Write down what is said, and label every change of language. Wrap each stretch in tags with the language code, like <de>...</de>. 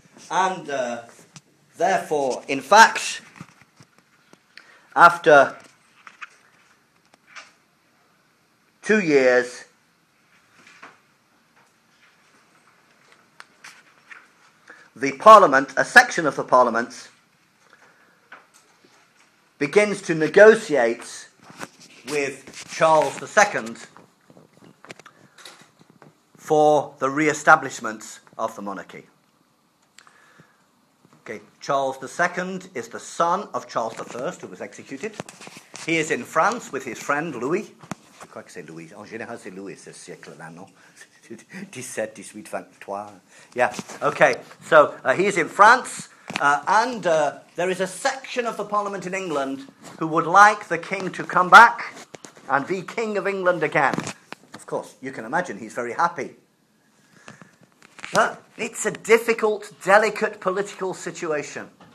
<en>And therefore, in fact, after 2 years, the Parliament, a section of the Parliament, begins to negotiate with Charles II for the re-establishment of the monarchy. Okay, Charles II is the son of Charles I, who was executed. He is in France with his friend Louis.</en> <fr>Je crois que c'est Louis. En général, c'est Louis, ce siècle-là, non?</fr> <en>17, 18, 23. Yeah, okay. So, he is in France, and there is a section of the Parliament in England who would like the king to come back and be king of England again. Of course, you can imagine he's very happy. But it's a difficult, delicate political situation.</en>